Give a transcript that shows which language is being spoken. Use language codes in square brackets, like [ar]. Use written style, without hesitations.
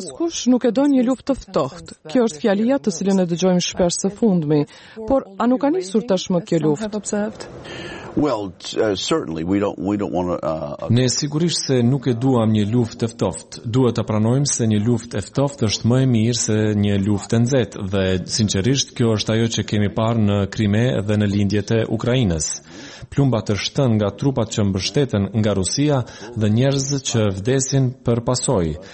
[sq] Askush nuk e don një luftë të ftohtë. Kjo është fjalia të cilën e dëgjojmë shpesh së fundmi, por a nuk ka nisur tashmë kjo luftë? [en] Well, certainly we don't want to. [sq] Ne sigurisht se nuk e duam një luftë ftoftë. Duhet ta pranojmë se një luftë e ftoftë është më e mirë se një luftë e nxehtë, dhe sinqerisht kjo është ajo që kemi parë në Krime dhe në lindjet e Ukrainës. Plumbat të shtën nga trupat që mbështeten nga Rusia dhe njerëz që vdesin për pasoj.